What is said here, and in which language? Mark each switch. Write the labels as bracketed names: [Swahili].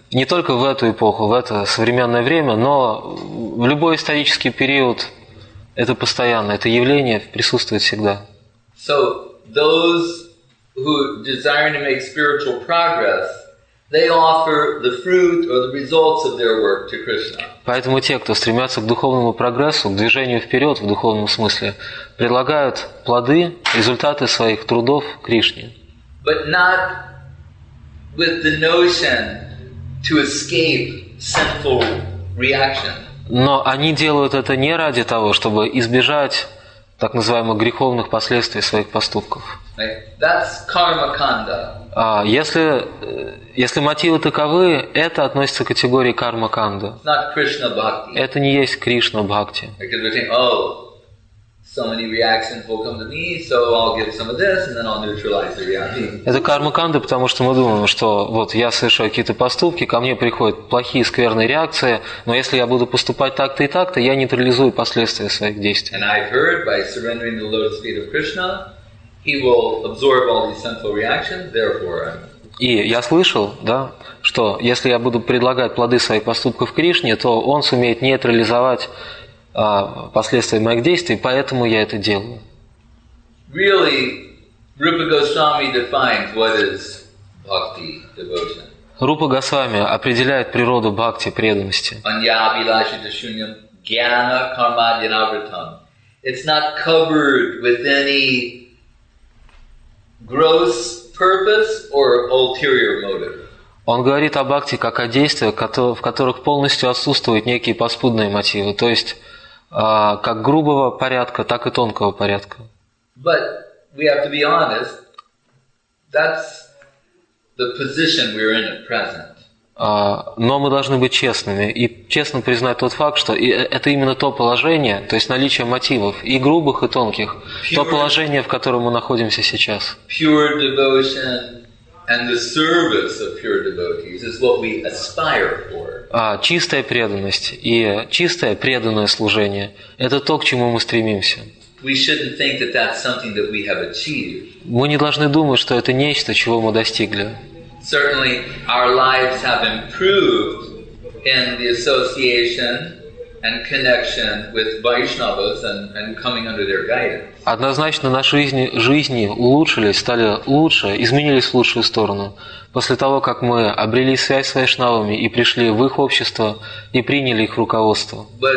[Russian] Не только в эту эпоху, в это современное время, но в любой исторический период это постоянно, это явление присутствует всегда. [English] So those who desire to make spiritual progress, they offer the fruit or the results of their work to Krishna. [Russian] Поэтому те, кто стремятся к духовному прогрессу, к движению вперед в духовном смысле, предлагают плоды, результаты своих трудов Кришне. [English] But not with the notion to escape sinful reaction. [Russian] Но они делают это не ради того, чтобы избежать так называемых греховных последствий своих поступков. [English] That's karma kanda. [Russian] Если мотивы таковы, это относится к категории карма канда. [English] Not Krishna bhakti. [Russian] Это не есть Кришна бхакти. [English] Because we think, oh. So many reactions will come to me, so I'll give some of this, and then I'll neutralize the reaction. [Russian] Это карма канда, потому что мы думаем, что вот я совершаю какие-то поступки, ко мне приходят плохие, скверные реакции, но если я буду поступать так-то и так-то, я нейтрализую последствия своих действий. [English] And I've heard by surrendering the lotus feet of Krishna, he will absorb all these sinful reactions. Therefore, I'm. [Russian] И я слышал, да, что если я буду предлагать плоды своих поступков Кришне, то он сумеет нейтрализовать последствия моих действий, поэтому я это делаю. [English] Really, Rupa Goswami defines what is bhakti devotion. [Russian] Рупа Госвами определяет природу бхакти преданности. [Sanskrit] Anya abhilashita shunyam gyana karma dinavritam. [English] It's not covered with any gross purpose or ulterior motive. [Russian] Он говорит о бхакти как о действиях, в которых полностью отсутствуют некие паспудные мотивы, то есть как грубого порядка, так и тонкого порядка. [English] But we have to be honest, that's the position we're in at present. [Russian] Но мы должны быть честными и честно признать тот факт, что это именно то положение, то есть наличие мотивов, и грубых, и тонких, то положение, в котором мы находимся сейчас. [English] Pure devotion and the service of pure devotees is what we aspire for. [Russian] Чистая преданность и чистое преданное служение – это то, к чему мы стремимся. [English] We shouldn't think that that's something that we have achieved. [Russian] Мы не должны думать, что это нечто, чего мы достигли. [English] Certainly, our lives have improved in the association and connection with Vaishnavas and coming under their guidance. [Russian] Однозначно, наши жизни улучшились, стали лучше, изменились в лучшую сторону после того, как мы обрели связь с вайшнавами и пришли в их общество и приняли их руководство.